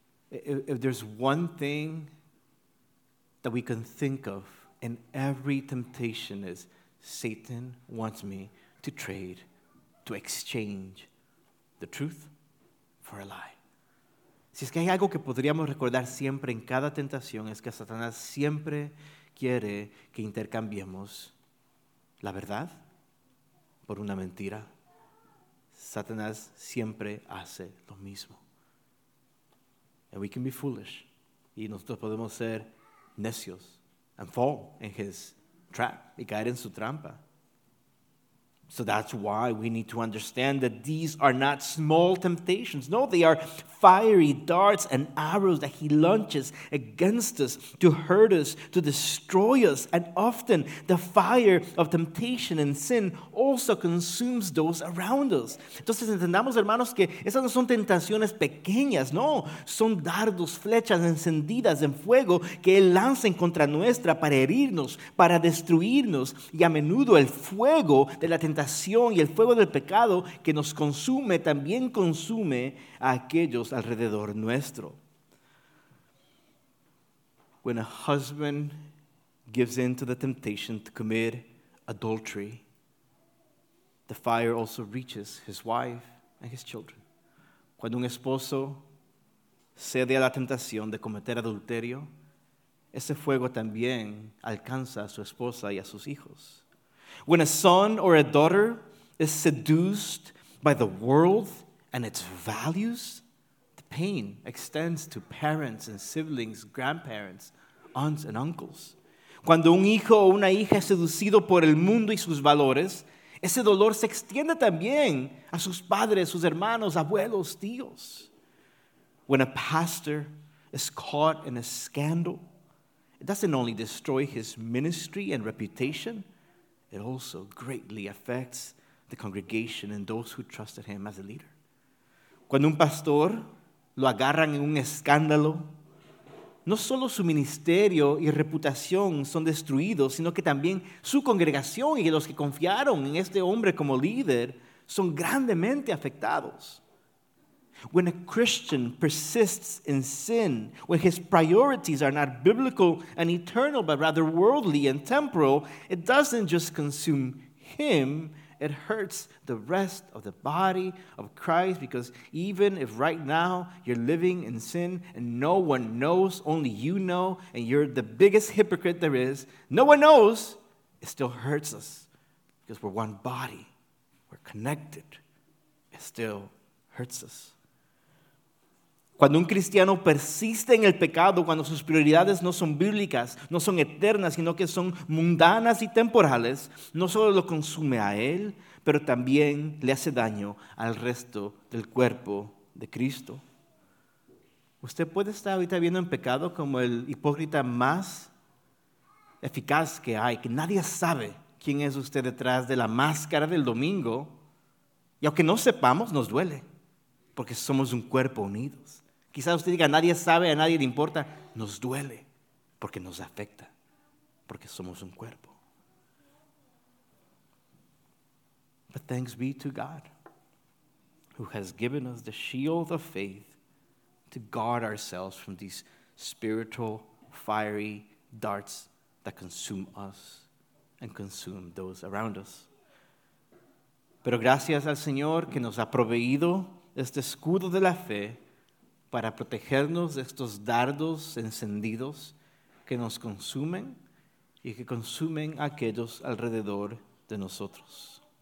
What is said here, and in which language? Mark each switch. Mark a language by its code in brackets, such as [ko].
[en] If there's one thing that we can think of in every temptation is Satan wants me to trade, to exchange the truth for a lie. [es] Si es que hay algo que podríamos recordar siempre en cada tentación es que Satanás siempre quiere que intercambiemos la verdad por una mentira. Satanás siempre hace lo mismo. [en] And we can be foolish. [es] Y nosotros podemos ser necios. [en] And fall in his trap. [es] Y caer en su trampa. [en] So that's why we need to understand that these are not small temptations. No, they are fiery darts and arrows that he launches against us to hurt us, to destroy us. And often the fire of temptation and sin also consumes those around us. [es] Entonces entendamos, hermanos, que esas no son tentaciones pequeñas, no. Son dardos, flechas encendidas en fuego que él lanza en contra nuestra para herirnos, para destruirnos. Y a menudo el fuego de la tentación y el fuego del pecado que nos consume también consume a aquellos alrededor nuestro. [en] When a husband gives in to the temptation to commit adultery, the fire also reaches his wife and his children. [es] Cuando un esposo cede a la tentación de cometer adulterio, ese fuego también alcanza a su esposa y a sus hijos. [en] When a son or a daughter is seduced by the world and its values, the pain extends to parents and siblings, grandparents, aunts and uncles. [es] Cuando un hijo o una hija es seducido por el mundo y sus valores, ese dolor se extiende también a sus padres, sus hermanos, abuelos, tíos. [en] When a pastor is caught in a scandal, it doesn't only destroy his ministry and reputation, it also greatly affects the congregation and those who trusted him as a leader. [es] Cuando un pastor lo agarran en un escándalo, no solo su ministerio y reputación son destruidos, sino que también su congregación y los que confiaron en este hombre como líder son grandemente afectados. [en] When a Christian persists in sin, when his priorities are not biblical and eternal, but rather worldly and temporal, it doesn't just consume him, it hurts the rest of the body of Christ, because even if right now you're living in sin and no one knows, only you know, and you're the biggest hypocrite there is, no one knows, it still hurts us, because we're one body, we're connected, it still hurts us. [es] Cuando un cristiano persiste en el pecado, cuando sus prioridades no son bíblicas, no son eternas, sino que son mundanas y temporales, no solo lo consume a él, pero también le hace daño al resto del cuerpo de Cristo. Usted puede estar ahorita viendo en pecado como el hipócrita más eficaz que hay, que nadie sabe quién es usted detrás de la máscara del domingo, y aunque no sepamos, nos duele, porque somos un cuerpo unidos. Quizás usted diga, nadie sabe, a nadie le importa. Nos duele, porque nos afecta, porque somos un cuerpo. [en] But thanks be to God, who has given us the shield of faith to guard ourselves from these spiritual, fiery darts that consume us and consume those around us. [es] Pero gracias al Señor que nos ha proveído este escudo de la fe para protegernos de estos dardos encendidos que nos consumen y que consumen a aquellos alrededor de nosotros.